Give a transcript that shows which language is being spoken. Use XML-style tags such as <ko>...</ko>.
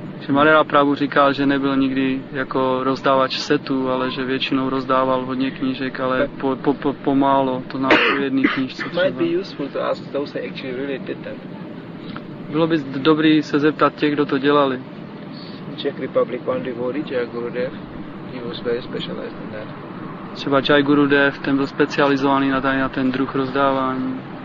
<cs>Marera Prabhu říkal, že nebyl nikdy jako rozdávač setů, ale že většinou rozdával hodně knížek, ale pomálo, to na jedné knížce.</cs> <en>It might be useful to ask those who actually really did that.</en> <cs>Bylo by dobrý se zeptat těch, kdo to dělali.</cs> <en>Czech Republic one devotee, Jai Gurudev, he was very specialized in that.</en> <cs>Třeba Jai Gurudev, ten byl specializovaný na ten druh rozdávání.</cs>